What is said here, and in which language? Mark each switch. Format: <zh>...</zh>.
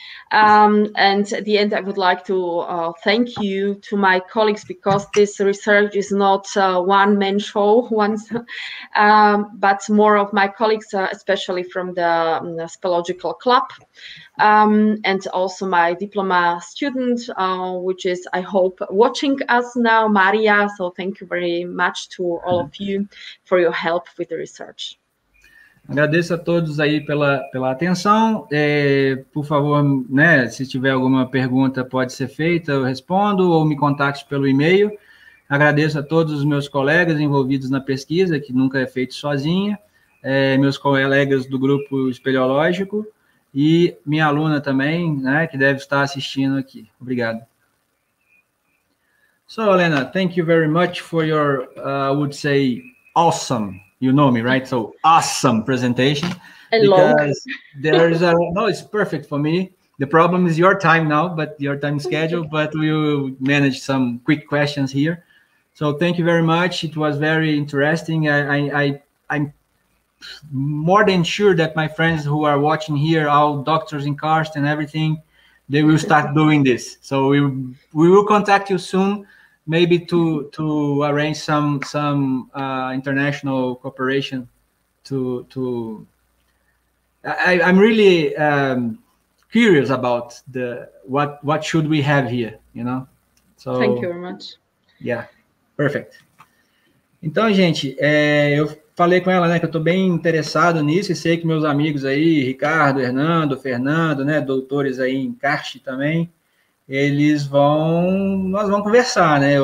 <en>And at the end, I would like to thank you to my colleagues, because this research is not a one-man show, but more of my colleagues, especially from the Spelogical Club, and also my diploma student, which is, I hope, watching us now, Maria. So thank you very much to all of you for your help with the research.</en> <pt>Agradeço a todos aí pela atenção. Por favor, né, se tiver alguma pergunta, pode ser feita, eu respondo, ou me contacte pelo e-mail. Agradeço a todos os meus colegas envolvidos na pesquisa, que nunca é feito sozinha, meus colegas do grupo espeleológico e minha aluna também, né, que deve estar assistindo aqui. Obrigado.</pt> <en>So, Alena, thank you very much for your, I would say, awesome. You know me, right? So awesome presentation. Hello. It's perfect for me. The problem is your time now, but your time schedule, but we'll manage some quick questions here. So thank you very much. It was very interesting. I'm more than sure that my friends who are watching here, all doctors in Karst and everything, they will start doing this. So we will contact you soon. Maybe to arrange some international cooperation I'm really curious about what should we have here, you know? So, thank you very much. Yeah, perfect.</en> <pt>Então, gente, eu falei com ela, né, que eu estou bem interessado nisso e sei que meus amigos aí, Ricardo, Hernando, Fernando, né, doutores aí em Karst também, nós vamos conversar, né?</pt>